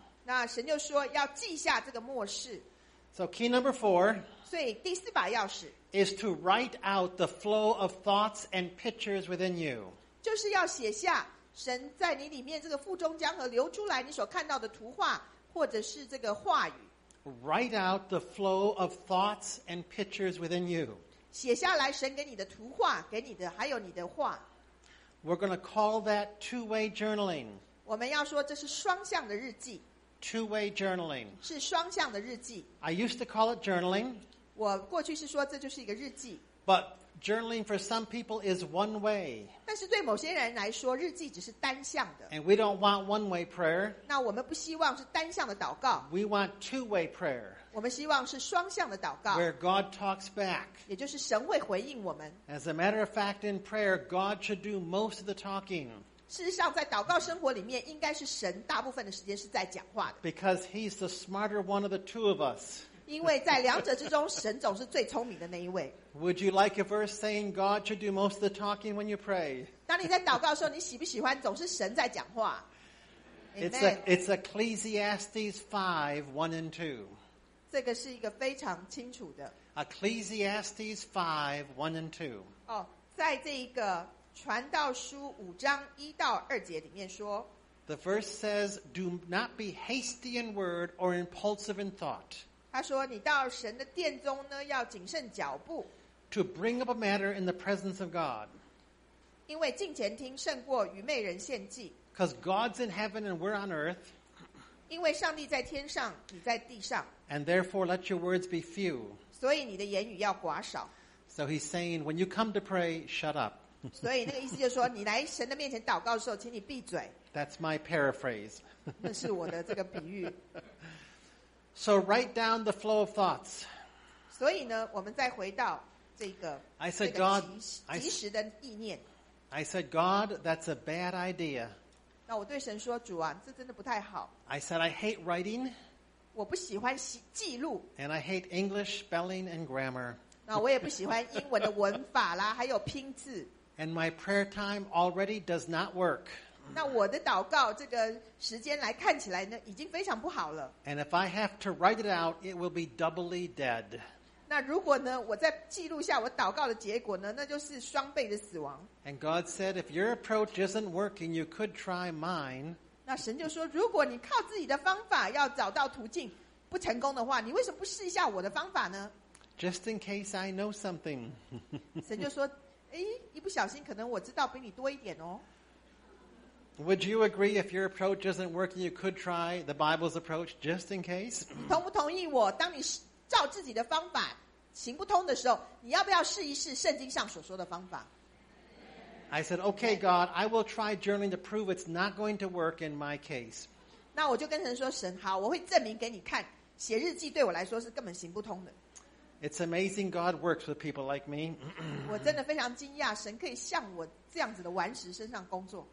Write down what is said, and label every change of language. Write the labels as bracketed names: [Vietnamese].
[Chinese] 那神就说要记下这个默示。 [English] So key number four, [Chinese] 所以第四把钥匙 [English] is to write out the flow of thoughts and pictures within you. [Chinese] 就是要写下神在你里面这个腹中江河流出来你所看到的图画或者是这个话语。 [English] Write out the flow of thoughts and pictures within you. [Chinese] 写下来神给你的图画给你的还有你的话。 [English] We're going to call that two-way journaling. [Chinese] 我们要说这是双向的日记。 [English] Two-way journaling [Chinese] 是双向的日记。 [English] I used to call it journaling. [Chinese] 我过去是说这就是一个日记。 [English] But Journaling for some people is one way. [Chinese] 但是对某些人来说，日记只是单向的。 [English] And we don't want one-way prayer. [Chinese] 那我们不希望是单向的祷告。 [English] We want two-way prayer. [Chinese] 我们希望是双向的祷告。 [English] Where God talks back. [Chinese] 也就是神会回应我们。 [English] As a matter of fact, in prayer, God should do most of the talking. [Chinese] 事实上，在祷告生活里面，应该是神大部分的时间是在讲话的。 [English] Because He's the smarter one of the two of us. [Chinese] 因为在两者之中，神总是最聪明的那一位。 [English] Would you like a verse saying God should do most of the talking when you pray? [Chinese] 当你在祷告的时候，你喜不喜欢总是神在讲话？ [English] It's Ecclesiastes 5, 1 and 2. [Chinese] 这个是一个非常清楚的。 [English] Ecclesiastes 5, 1 and 2. [Chinese] 在这一个传道书五章一到二节里面说。 [English] The verse says, do not be hasty in word or impulsive in thought. [Chinese] 他说你到神的殿中呢要谨慎脚步 [English] To bring up a matter in the presence of God [Chinese] 因为敬虔听胜过愚昧人献祭 [English] Because God's in heaven and we're on earth [Chinese] 因为上帝在天上你在地上 [English] And therefore let your words be few [Chinese] 所以你的言语要寡少 [English] So he's saying when you come to pray shut up [Chinese] 所以那个意思就是说你来神的面前祷告的时候请你闭嘴 [English] That's my paraphrase [Chinese] 那是我的这个比喻 [English] So write down the flow of thoughts. [Chinese] 所以呢，我们再回到这个 [English] I said, God, [Chinese] 即时的意念。 [English] I said, God, that's a bad idea. [Chinese] 那我对神说，主啊，这真的不太好。 [English] I said, I hate writing. [Chinese] 我不喜欢记录。 [English] And I hate English spelling and grammar. [Chinese] 那我也不喜欢英文的文法啦，还有拼字。 [English] And my prayer time already does not work. [Chinese] 那我的祷告这个时间来看起来呢已经非常不好了 [English] And if I have to write it out it will be doubly dead [Chinese] 那如果呢我再记录下我祷告的结果呢那就是双倍的死亡 [English] And God said if your approach isn't working you could try mine [Chinese] 那神就说如果你靠自己的方法要找到途径不成功的话你为什么不试一下我的方法呢 [English] Just in case I know something [Chinese] 神就说诶一不小心可能我知道比你多一点哦 [English] Would you agree if your approach isn't working, you could try the Bible's approach just in case? [Chinese] 你同不同意我？当你照自己的方法行不通的时候，你要不要试一试圣经上所说的方法 [English] ？I said, "Okay, God, I will try journaling to prove it's not going to work in my case." [Chinese] 那我就跟神说：“神，好，我会证明给你看，写日记对我来说是根本行不通的。” [English] It's amazing God works with people like me. [Chinese] 我真的非常惊讶，神可以像我。这样子的顽石身上工作